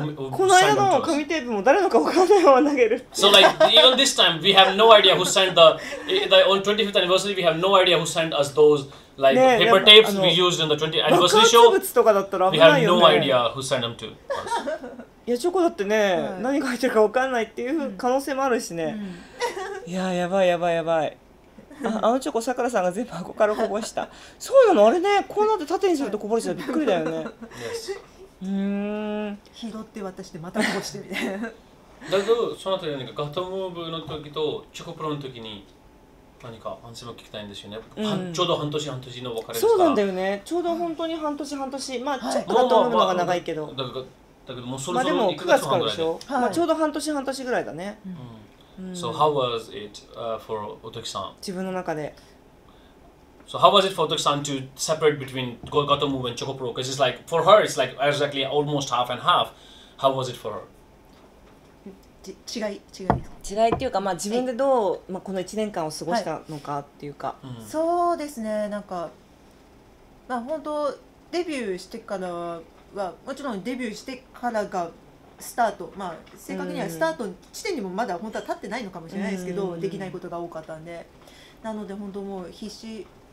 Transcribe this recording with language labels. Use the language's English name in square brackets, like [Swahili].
[Japanese] この間の紙テープも誰のかわからないまま投げる。 [English] So like even this time we have no idea who sent the on 25th anniversary we have no idea who sent us those. Like、ね、paper tapes we used in the 20th anniversary show, we have no idea who sent them to us. [Japanese] いやチョコだってね、はい、何書いてるか分かんないっていう可能性もあるしね、うん、いややばいやばいやばい あのチョコさくらさんが全部箱からこぼしたそうなのあれねこうなって縦にするとこぼれちゃうびっくりだよね拾って渡してまたこぼしてみてだけどその後何かガトムーブの時とチョコプロの時に何か反省も聞きたいんですよね、うん、ちょうど半年半年の別れですかそうなんだよねちょうど本当に半年半年、うん、まあちょっとガトムーブのが長いけど、はい、だけどもうそろそろ1ヶ月半ぐらいで、まあ、でも9月からでしょ、はいまあ、ちょうど半年半年ぐらいだね、うんうん、 [English] So how was it、for Otoki-san? [Japanese] 自分の中で [English] So how was it for Otoki-san to separate between Gatomove and Chocopro? Because it's like for her it's like exactly almost half and half How was it for her? [Japanese] 違いっていうか、まあ、自分でどう、まあ、この1年間を過ごしたのかっていうか、はい、そうですねなんか、まあ、本当デビューしてからはもちろんデビューしてからがスタート、まあ、正確にはスタート地点にもまだ本当は立ってないのかもしれないですけど、うん、できないことが多かったんでなので本当もう必死